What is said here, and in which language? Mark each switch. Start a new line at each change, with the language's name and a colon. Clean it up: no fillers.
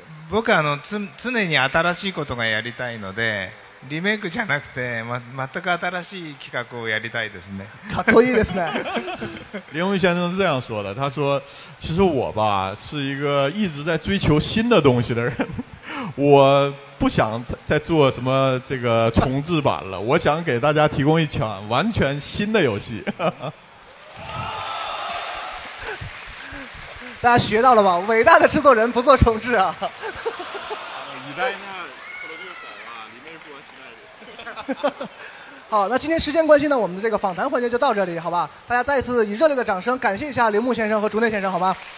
Japanese: 僕は常に新しいことがやりたいので、リメイクじゃなくて、全く新しい企画をやりたいですね。かっこいいですね。
Chinese: 林文先生是这样说的，他说其实我吧是一个一直在追求新的东西的人，我不想再做什么这个重置版了，我想给大家提供一场完全新的游戏。大家学到了吧？伟大的制作人不做重置啊！
Japanese: 偉大なプロデューサーはリメイクはしないです。
Chinese: 好，那今天时间关系呢，我们的这个访谈环节就到这里，好吧？大家再一次以热烈的掌声感谢一下铃木先生和竹内先生，好吗